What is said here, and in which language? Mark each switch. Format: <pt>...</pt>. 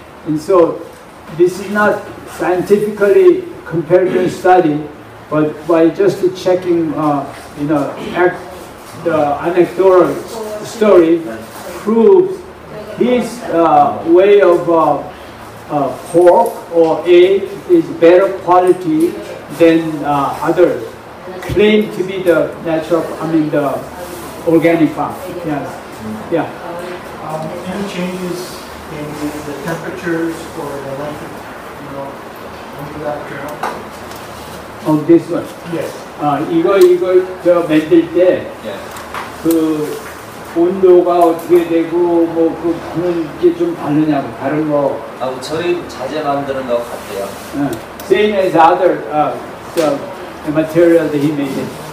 <en>And so this is not scientifically comparative study, but by just checking, the anecdotal story proves his way of pork or egg is better quality than others. claim to be the natural, I mean the organic farm. Yes. Yeah. Any changes in the temperatures or the length of, you know, under that drill? On this one? Yes.</en> <ko>이거 저 만들 때 그 온도가 어떻게 되고 뭐 그 그런 게 좀 다르냐고 다른 거. 아, 저희 자재 만드는 거 같아요.</ko> <en>Same as other the material that he made.</en>